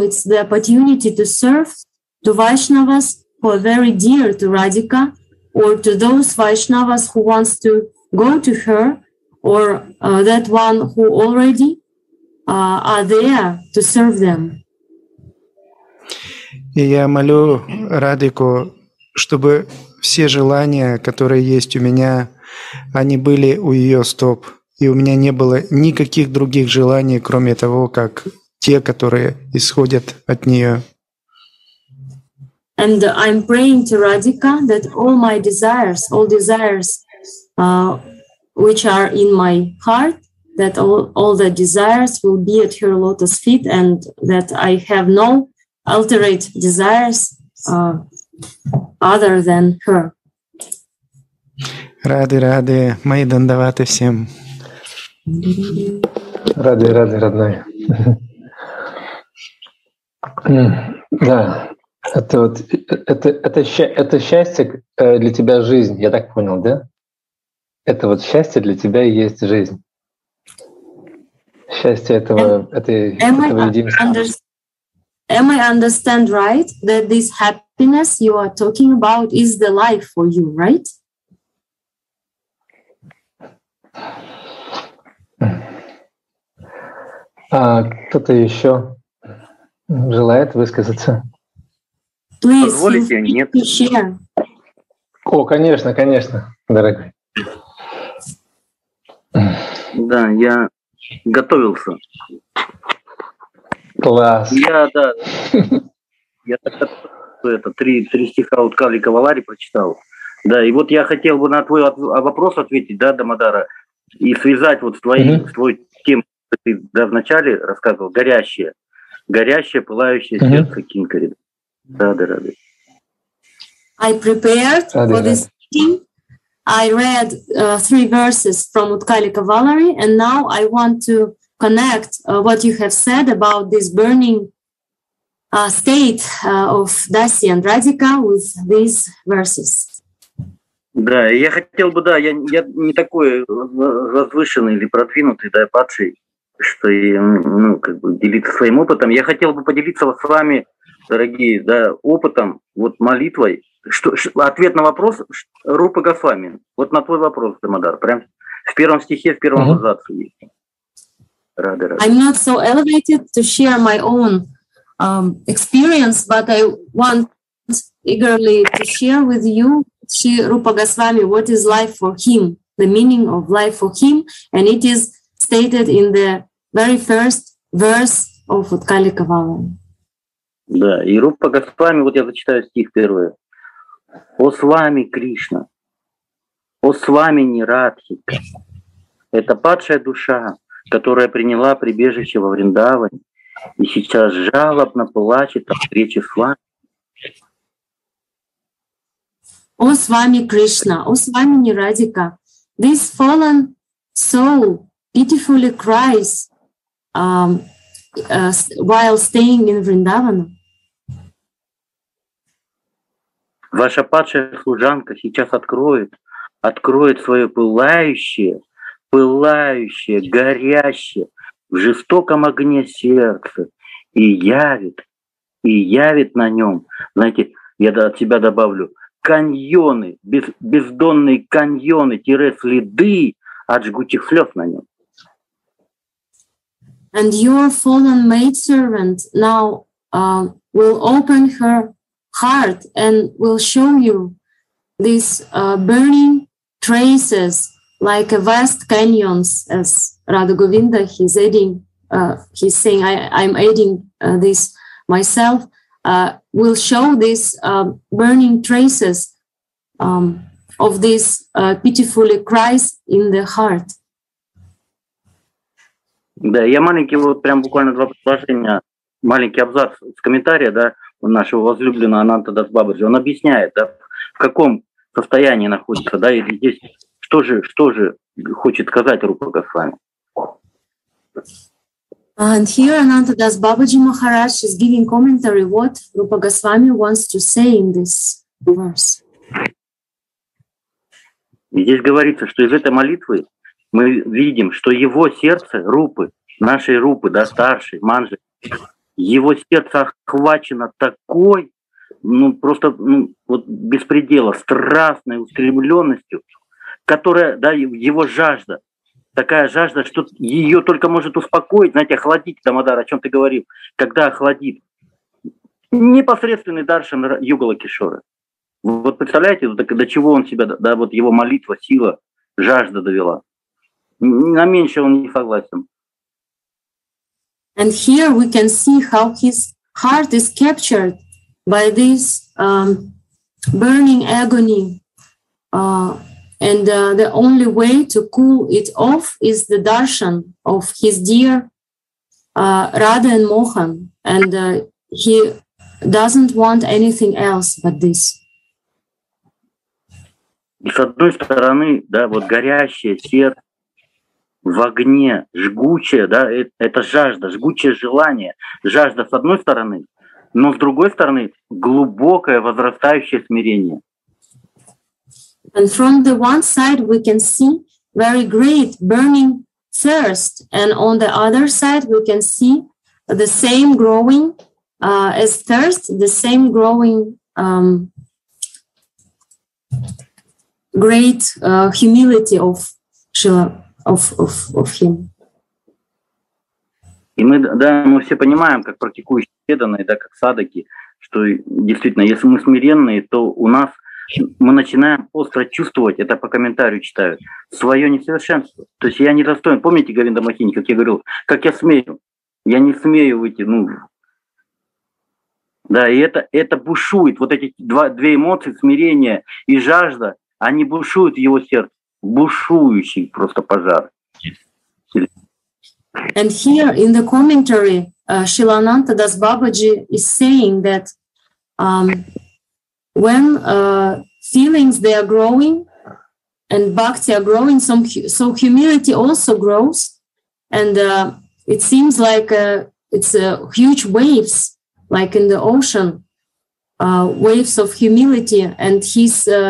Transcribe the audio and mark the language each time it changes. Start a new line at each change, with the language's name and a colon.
English: It's the opportunity to serve to Vaishnavas who are very dear to Radhika, or to those Vaishnavas who wants to go to her, or that one who already are there to serve them.
Russian: И я молю Радику, чтобы все желания, которые есть у меня, они были у ее стоп, и у меня не было никаких других желаний, кроме того, как те, которые исходят от нее.
English: And I'm praying to Radhika that all my desires, which are in my heart, that all the desires will be at her lotus feet, and that I have no alternate desires other than her.
Russian: Рады, рады, мои дандаваты всем. Рады, рады, родные. Да, это вот это счастье для тебя жизнь, я так понял, да? Это вот счастье для тебя и есть жизнь. Счастье этого, этого единства.
English: Am I understand right that this happiness you are talking about is the life for you, right?
Russian: А кто-то еще желает высказаться?
English: Please,
Russian: позволите, нет.
English: Share.
Russian: О, конечно, конечно, дорогой. Да, я готовился. Класс. Я так это три стиха от Кали Кавалари прочитал. Да, и вот я хотел бы на твой вопрос ответить, да, Дамодара, и связать вот с твоей твой тем, что ты да, вначале рассказывал, горящее, пылающее сердце Кинкари. Да, да, да.
English: I prepared for this meeting. I read three verses from Utkali Kavalari, and now I want to connect what you have said about this burning state of Dasi and Radhika with these verses.
Russian: Да, я хотел бы, да, я не такой возвышенный или продвинутый, да, падший, что и, ну, как бы делиться своим опытом. Я хотел бы поделиться с вами, дорогие, да, опытом, вот молитвой. Что, ответ на вопрос Рупы Госвами. Вот на твой вопрос, Дамодар, прям в первом стихе, в первом абзаце есть.
English: I'm not so elevated to share my own experience, but I want eagerly to share with you, Shri Rupa Goswami, what is life for him, the meaning of life for him, and it is stated in the very first verse of Utkali Kavala.
Russian: Да, и Рупа Госвами, вот я зачитаю стих первый. О с вами, Кришна, о с вами, Нирадхи, это падшая душа, которая приняла прибежище во Вриндаване и сейчас жалобно плачет о встрече с вами. О с вами, Кришна, о с вами, Нирадика,
English: this fallen soul pitifully cries while staying in Vrindavan.
Russian: Ваша падшая служанка сейчас откроет свое пылающее, горящее в жестоком огне сердце и явит на нем, знаете, я от себя добавлю, каньоны, бездонные каньоны, тире следы от жгучих слез на нем.
English: And your fallen maidservant now will open her heart and will show you these burning traces like a vast canyons, as Radha Govinda, will show these burning traces of this pitifully cries in the heart.
Russian: Да, я маленький, вот прям буквально два предложения, маленький абзац с комментария, да, нашего возлюбленного Ананта Дас Бабаджи, он объясняет, да, в каком состоянии находится, да, и здесь... Что же хочет сказать Рупа Госвами?
English: And here Ananta Das Babaji Maharaj is giving commentary what Rupa Goswami wants to say in this verse.
Russian: Здесь говорится, что из этой молитвы мы видим, что его сердце Рупы, нашей Рупы, да, старшей Манджи, его сердце охвачено такой, ну просто, ну вот беспредела, страстной устремленностью, которая, да, его жажда, такая жажда, что ее только может успокоить, знаете, охладить, Дамодар, о чем ты говорил, когда охладит непосредственный даршан Югала Кишора. Вот представляете, до чего он себя, да, вот его молитва, сила, жажда довела. На меньше он не согласен.
English: And here we can see how his heart is captured by this burning agony. And the only way to cool it off is the darshan of his dear Radha and Mohan. And he doesn't want anything else but this.
Russian: И с одной стороны, да, вот горящее сердце в огне, жгучее, да, это жажда, жгучее желание, жажда с одной стороны, но с другой стороны глубокое возрастающее смирение.
English: And from the one side we can see very great burning thirst, and on the other side we can see the same growing as thirst, the same growing great humility of Шрила, of him.
Russian: И мы, да, мы все понимаем, как практикующие преданные, да, как садаки, что действительно, если мы смиренные, то у нас мы начинаем остро чувствовать, это по комментарию читают, свое несовершенство. То есть я не достоин. Помните, Говинда Махини, как я говорил, как я смею? Я не смею выйти, ну... Да, и это бушует. Вот эти две эмоции, смирение и жажда, они бушуют в его сердце. Бушующий просто пожар.
English: And here in the commentary Шрила Ананта Дас Бабаджи is saying that when feelings they are growing and bhakti are growing, so humility also grows, and it seems like it's a huge waves, like in the ocean, waves of humility, and his